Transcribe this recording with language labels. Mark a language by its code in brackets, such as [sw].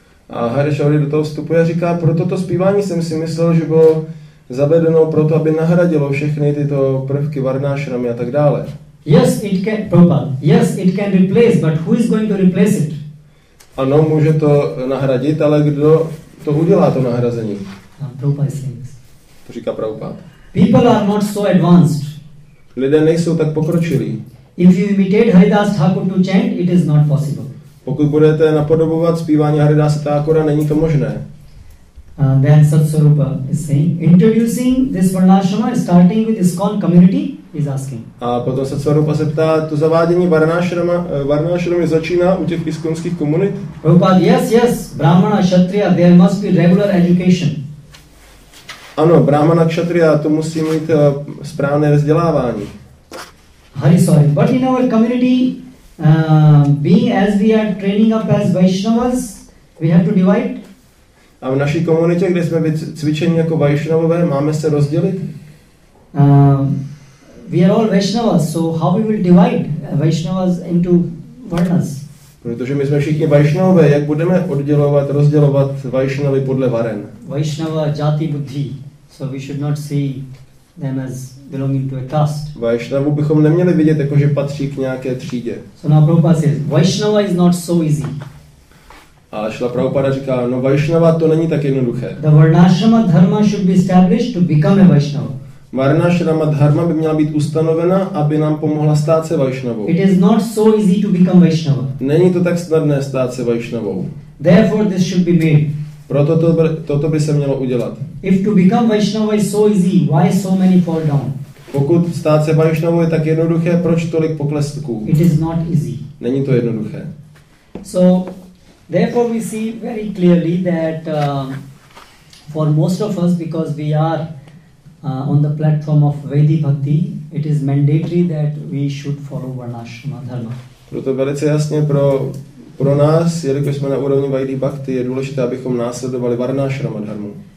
[cs] A Hari Shauri do toho vstupuje a říká, proto to zpívání jsem si myslel, že bylo zavedeno proto, aby nahradilo všechny tyto prvky varnashrami a tak dále. [en] Yes, it can, Prabhupada, yes, it can replace, but who is going to replace it? [cs] Ano, může to nahradit, ale kdo to udělá, to nahrazení? [en] Prabhupada is saying this. [cs] To říká Prabhupada. [en] People are not so advanced. [cs] Lidé nejsou tak pokročilí. [en] If you imitate Haridas Thakur to chant, it is not possible. [cs] Pokud budete napodobovat zpívání Haridasa Thakura, není to možné. [en] Then Satsvarupa is saying, introducing this varnashrama, starting with ISKCON community, is asking. [cs] A potom Satsvarupa se ptá, to zavádění varnashrama začíná u těch iskonských komunit? [en] Prabhupada, yes, yes, Brahmana, Kshatriya, there must be regular education. [cs] Ano, Brahmana, Kshatriya, to musí mít správné vzdělávání. [en] Hari, sorry, but in our community, being as we are training up as Vaishnavas, we have to divide. [cs] A v naší komunitě, kde jsme cvičeni jako Vaishnavové, máme se rozdělit? [en] We are all Vaishnavas, so how we will divide Vaishnavas into varnas? [cs] Protože my jsme všichni Vaishnavové, jak budeme oddělovat, rozdělovat Vaishnavy podle varen? [sa] Vaishnava jati buddhi, [en] so we should not see them as belonging to a caste. [cs] Vaishnavu bychom neměli vidět jako že patří k nějaké třídě. [en] So now Prabhupada says, Vaishnava is not so easy. [cs] A Šila Prabhupada říká, no Vaishnava to není tak jednoduché. [en] The Varnashrama dharma should be established to become a Vaishnava. [cs] Varnashrama dharma by měla být ustanovena, aby nám pomohla stát se Vaishnavou. [en] It is not so easy to become Vaishnava. [cs] Není to tak snadné stát se Vaishnavou. [en] Therefore this should be made. [cs] Proto toto by se mělo udělat. [en] If to become Vaishnava is so easy, why so many fall down? [cs] Pokud stát se Vaishnavou je tak jednoduché, proč tolik poklesků? [en] It is not easy. [cs] Není to jednoduché. [en] So therefore we see very clearly that for most of us, because we are on the platform of Vedic bhakti, it is mandatory that we should follow Varnashrama dharma. [cs] Proto velice jasně pro nás, jelikož jsme na úrovni Vedic bhakti, je důležité, abychom následovali Varnashrama dharmu.